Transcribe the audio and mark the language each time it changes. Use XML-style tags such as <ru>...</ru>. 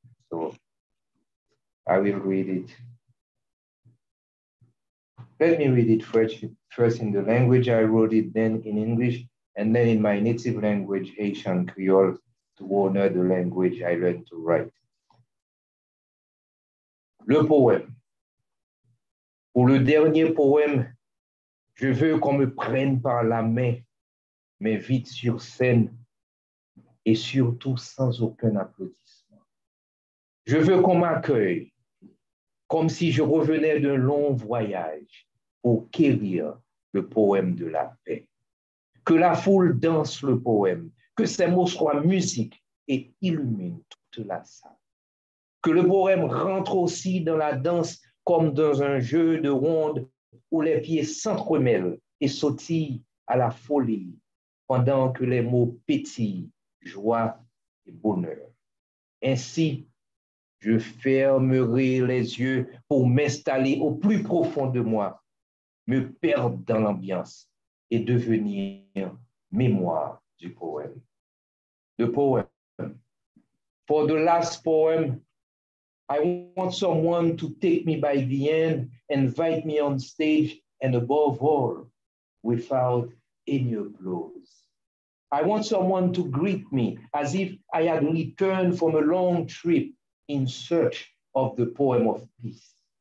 <en>So I will read it. Let me read it first in the language I wrote it, then in English, and then in my native language, Haitian Creole, to honor the language I learned to write.</en> <fr>Le poème. Pour le dernier poème, je veux qu'on me prenne par la main, mais vite sur scène, et surtout sans aucun applaudissement. Je veux qu'on m'accueille, comme si je revenais d'un long voyage, pour quérir le poème de la paix. Que la foule danse le poème, que ses mots soient musique et illuminent toute la salle. Que le poème rentre aussi dans la danse comme dans un jeu de ronde où les pieds s'entremêlent et sautillent à la folie pendant que les mots pétillent joie et bonheur. Ainsi, je fermerai les yeux pour m'installer au plus profond de moi, me perdre dans l'ambiance et devenir mémoire du poème.</fr> <en>The poem. For the last poem, I want someone to take me by the hand, invite me on stage, and above all, without any applause. I want someone to greet me as if I had returned from a long trip in search of the poem of peace.</en>